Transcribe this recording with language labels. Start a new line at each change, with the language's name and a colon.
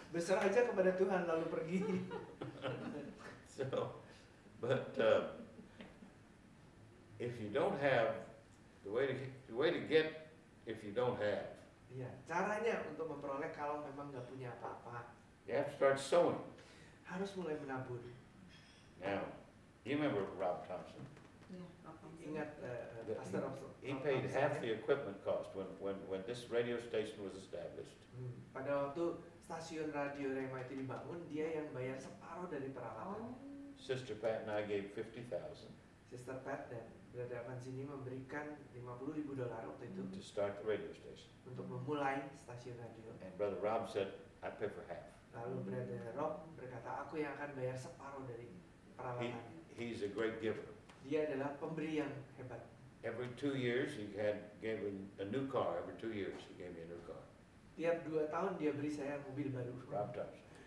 Indonesian: Berserah aja kepada Tuhan lalu pergi.
English: So, if you don't have the way to get if you don't have.
Indonesian: Ya, caranya untuk memperoleh kalau memang nggak punya apa-apa.
English: You have to start sowing.
Indonesian: Harus mulai menabur.
English: Now, you remember Rob Thompson?
Indonesian: Ingat Pastor
English: Russell. He paid half the equipment cost when this radio station was established.
Indonesian: Pada waktu stasiun radio Rema itu dibangun, dia yang bayar separuh dari peralatan.
English: Sister Pat and I gave 50,000.
Indonesian: Sister Pat dan Brother Avanzini memberikan $50,000 waktu itu.
English: To start the radio station.
Indonesian: Untuk memulai stasiun radio.
English: And Brother Rob said, I pay for half.
Indonesian: Lalu Brother Rob berkata, aku yang akan bayar separuh dari peralatan.
English: He's a great giver.
Indonesian: Dia adalah pemberi yang hebat.
English: Every 2 years he had gave a new car. Every 2 years he gave me a new car.
Indonesian: Tiap 2 tahun dia beri saya mobil baru.
English: Rob Thompson.